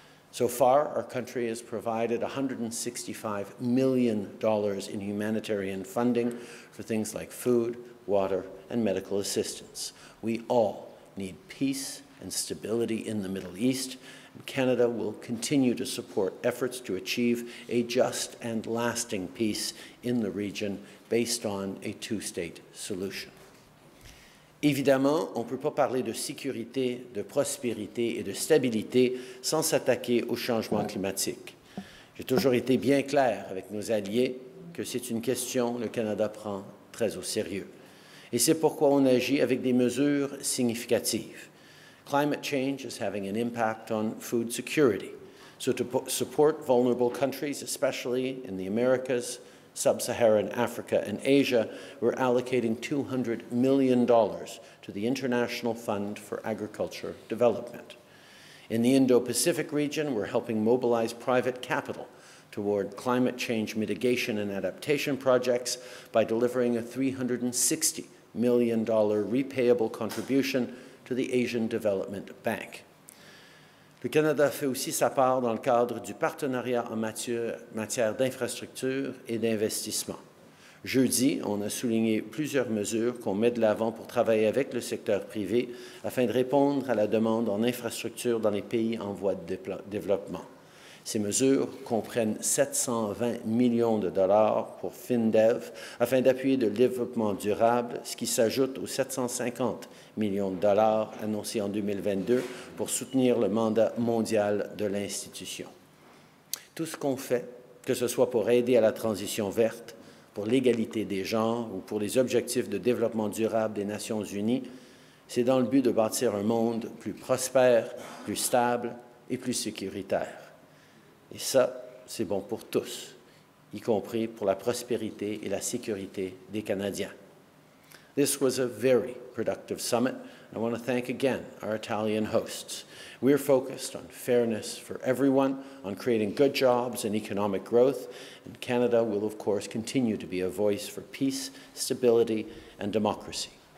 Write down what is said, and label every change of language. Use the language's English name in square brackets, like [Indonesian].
[English] So far, our country has provided $165 million in humanitarian funding for things like food, water, and medical assistance. We all need peace and stability in the Middle East, and Canada will continue to support efforts to achieve a just and lasting peace in the region based on a two-state solution. [French] Évidemment, on ne peut pas parler de sécurité, de prospérité et de stabilité sans s'attaquer au changement climatique. J'ai toujours été bien clair avec nos alliés que c'est une question que le Canada prend très au sérieux. Et c'est pourquoi on agit avec des mesures significatives. [English] Climate change is having an impact on food security. So to support vulnerable countries, especially in the Americas, Sub-Saharan Africa and Asia, we're allocating $200 million to the International Fund for Agriculture Development. In the Indo-Pacific region, we're helping mobilize private capital toward climate change mitigation and adaptation projects by delivering a $360 million repayable contribution to the Asian Development Bank. [French] Le Canada fait aussi sa part dans le cadre du partenariat en matière d'infrastructure et d'investissement. Jeudi, on a souligné plusieurs mesures qu'on met de l'avant pour travailler avec le secteur privé afin de répondre à la demande en infrastructure dans les pays en voie de développement. Ces mesures comprennent 720 millions de dollars pour FinDev afin d'appuyer le développement durable, ce qui s'ajoute aux 750 millions de dollars annoncés en 2022 pour soutenir le mandat mondial de l'institution. Tout ce qu'on fait, que ce soit pour aider à la transition verte, pour l'égalité des genres ou pour les objectifs de développement durable des Nations unies, c'est dans le but de bâtir un monde plus prospère, plus stable et plus sécuritaire. Et ça, c'est bon pour tous, y compris pour la prospérité et la sécurité des Canadiens. [English] This was a very productive summit. I want to thank again our Italian hosts. We are focused on fairness for everyone, on creating good jobs and economic growth, and Canada will, of course, continue to be a voice for peace, stability, and democracy.